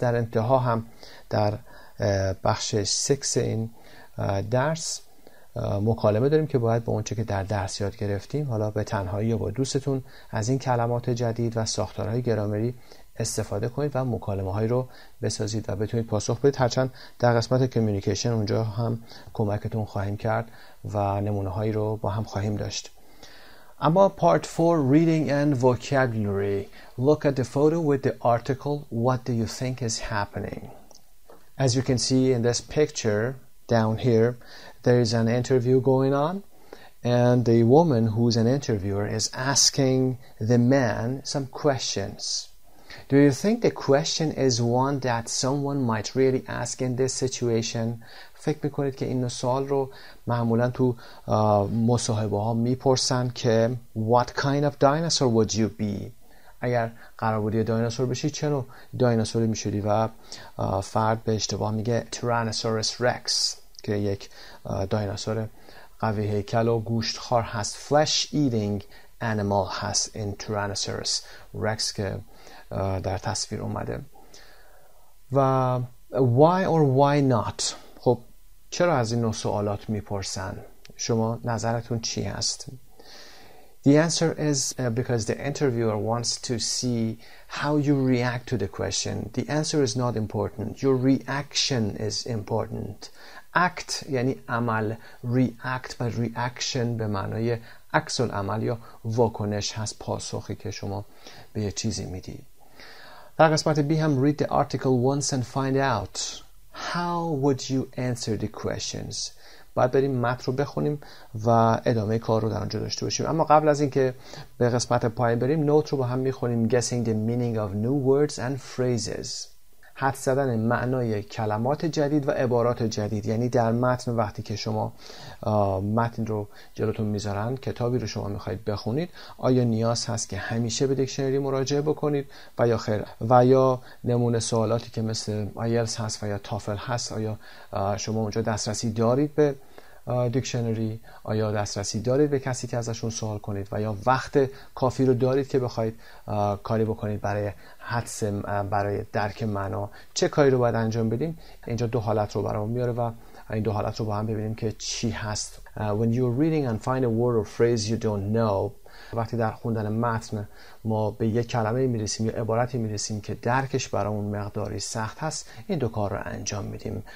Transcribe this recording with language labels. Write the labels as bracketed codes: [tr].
[fa] در انتها هم در بخش 6 این درس مکالمه داریم که باید با اونچه که در درس یاد گرفتیم حالا به تنهایی یا با دوستتون از این کلمات جدید و ساختارهای گرامری استفاده کنید و مکالمه هایی رو بسازید و بتونید پاسخ بدید. هرچند در قسمت کمیونیکیشن اونجا هم کمکتون خواهیم کرد و نمونه هایی رو با هم خواهیم داشت. اما پارت 4 [en] reading and vocabulary. Look at the photo with the article. What do you think is happening? As you can see in this picture down here, there is an interview going on, and the woman who's an interviewer is asking the man some questions. Do you think the question is one that someone might really ask in this situation? [fa] فکر میکنید که این سوال رو معمولا تو مصاحبه ها میپرسن که [en] what kind of dinosaur would you be? [fa] اگر قرار بودی دایناسور بشی چه نوع دایناسوری میشدی؟ و فرد به اشتباه میگه تیرانوسورس رکس، که یک دایناسور قوی هیکل و گوشت خار هست، [en] flesh eating animal [fa] هست این تیرانوسورس رکس که در تصویر اومده. [en] و why or why not، [fa] خب چرا از این نوع سوالات میپرسن؟ شما نظرتون چی هست؟ [en] The answer is because the interviewer wants to see how you react to the question. The answer is not important. Your reaction is important. [fa] Act یعنی عمل، react و reaction به معنای عکس العمل یا واکنش هست، پاسخی که شما به یه چیزی میدی. در قسمت B هم [en] read the article once and find out how would you answer the questions. [fa] بعد بریم متن رو بخونیم و ادامه کار رو در اونجا داشته باشیم. اما قبل از اینکه به قسمت پایین بریم، نوت رو با هم میخونیم. [en] Guessing the meaning of new words and phrases. [fa] حد زدن معنای کلمات جدید و عبارات جدید. یعنی در متن وقتی که شما متن رو جلوتون میذارن، کتابی رو شما میخواید بخونید، آیا نیاز هست که همیشه به دیکشنری مراجعه بکنید و یا خیر؟ و یا نمونه سوالاتی که مثل IELTS هست و یا TOEFL هست، آیا شما اونجا دسترسی دارید به دیکشنری؟ آیا دسترسی دارید به کسی که ازشون سوال کنید؟ و یا وقت کافی رو دارید که بخواید کاری بکنید برای حدس، برای درک معنا؟ چه کاری رو باید انجام بدیم؟ اینجا دو حالت رو برامون میاره و این دو حالت رو با هم ببینیم که چی هست. [en] When you're reading and find a word or phrase you don't know. [fa] وقتی در خوندن متن ما به یک کلمه میرسیم یا عبارتی میرسیم که درکش برامون مقداری سخت هست، این دو کار رو انجام میدیم.